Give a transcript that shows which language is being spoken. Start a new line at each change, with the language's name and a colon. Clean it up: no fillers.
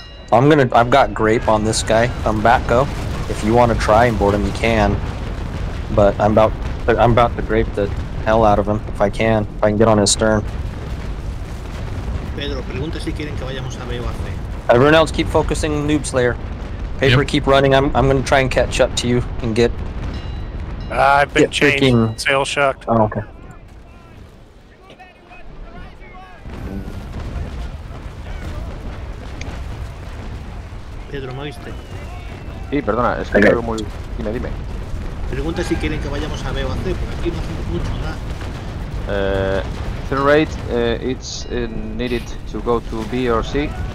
English: I've got grape on this guy. I'm back, go. If you want to try and board him, you can. But I'm about to grape the hell out of him if I can get on his stern.
Spanish: Pedro, pregunta si quieren que vayamos a B o a C.
English: Everyone else, keep focusing, Noob Slayer. Paper, yep. Keep running. I'm going to try and catch up to you and get. I've been chained. Freaking... Sail shucked. Oh, okay.
Spanish: Pedro, ¿moviste? Sí, perdona, es que quiero muy. Dime, dime. Pregunta si quieren que vayamos a B o a C, porque aquí no hacemos mucho nada.
English: Third rate, it's needed to go to B or C.